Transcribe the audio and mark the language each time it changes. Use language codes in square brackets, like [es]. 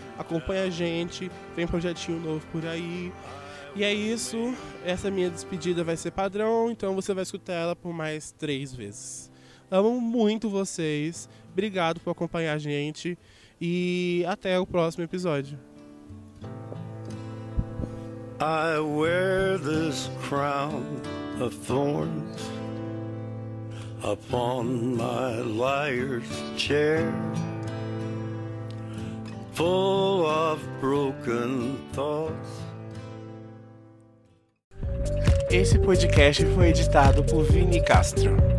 [pt] Acompanha a gente, vem projetinho novo por aí. E é isso, essa minha despedida vai ser padrão, então você vai escutar ela por mais 3 vezes. Amo muito vocês, obrigado por acompanhar a gente. E até o próximo episódio. [en] I wear this crown of thorns upon my liar's chair, full of broken thoughts. [pt] Esse podcast foi editado por Vini Castro.